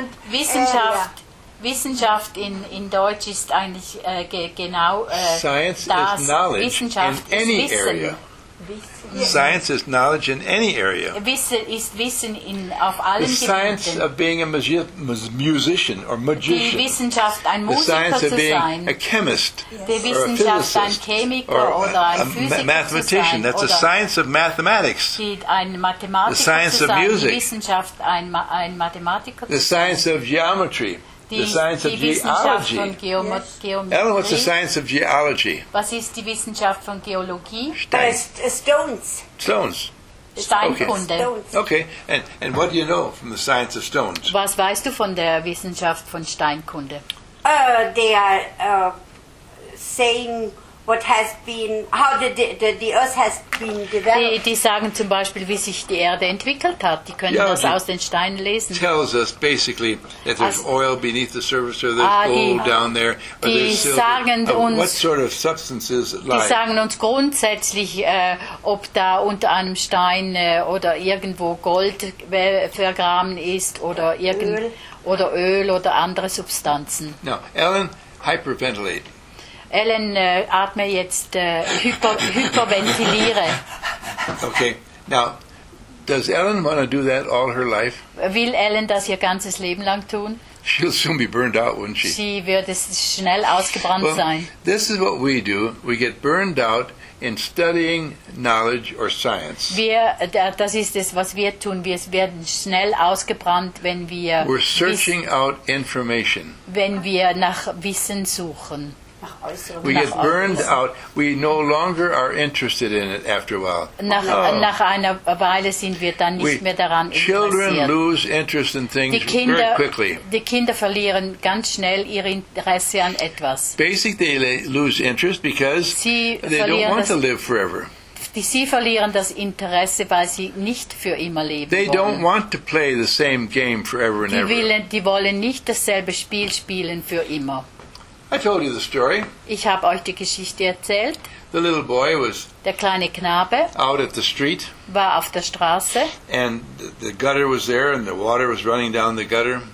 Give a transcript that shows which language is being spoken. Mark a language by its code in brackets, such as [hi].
[de] Wissenschaft, Wissenschaft in Deutsch ist eigentlich genau [en] science [de] das. [en] Science is knowledge [de] Wissenschaft [en] in any area. Science is knowledge in any area. [de] Wissen ist Wissen in auf allen Gebieten. [en] The science [de] Gebieten. [en] Of being a musician or magician. [de] Die Wissenschaft ein Musiker zu sein. [en] The science of being a chemist yes. or a physicist [de] ein Chemiker oder ein Physiker [en] a mathematician. That's a science of mathematics. [de] Ein Mathematiker [en] the science [de] zu sein. [en] Of music. [de] Wissenschaft ein Mathematiker [en] the science of geometry. The science of geology. Ellen, what's the science of geology? [de] Was ist die Wissenschaft von Geologie? [en] Stones. Stones. [de] Steinkunde. [en] Okay. And what do you know from the science of stones? [de] Was weißt du von der Wissenschaft von Steinkunde? [en] They are saying what has been, how the earth has been developed. [de] Die sagen zum Beispiel, wie sich die Erde entwickelt hat. Die können das aus den Steinen lesen. [en] Tells us basically that there's oil beneath the surface or there's gold down there or [de] die [en] there's silver. [de] Sagen uns, [en] what sort of substance is it like? [de] Die sagen uns grundsätzlich, ob da unter einem Stein oder irgendwo Gold vergraben ist oder Öl oder andere Substanzen. [en] Now, Ellen, hyperventilate. [de] Ellen, atme jetzt, hyperventiliere. [en] Okay, now, does Ellen want to do that all her life? [de] Will Ellen das ihr ganzes Leben lang tun? [en] She'll soon be burned out, won't she? [de] Sie wird schnell ausgebrannt [en] well, [de] sein. [en] This is what we do. We get burned out in studying knowledge or science. [de] Wir, das ist es, was wir tun. Wir werden schnell ausgebrannt, wenn wir [en] We're searching out information. [de] Wenn wir nach Wissen suchen. [en] We get burned out. We no longer are interested in it after a while. [de] Nach einer Weile sind wir dann nicht mehr daran interessiert. [en] Children lose interest in things very quickly. [de] Die Kinder verlieren ganz schnell ihr Interesse an etwas. [en] Basically, they lose interest because they don't want to live forever. [de] Sie verlieren das Interesse, weil sie nicht für immer leben [en] they [de] wollen. [en] Don't want to play the same game forever and ever. [de] Die wollen nicht dasselbe Spiel spielen für immer. [en] I told you the story. [de] Ich habe euch die Geschichte erzählt. [en] The little boy was [de] der kleine Knabe [en] out at the street. [de] War auf der Straße. [en] And the gutter was there and the water was running down the gutter.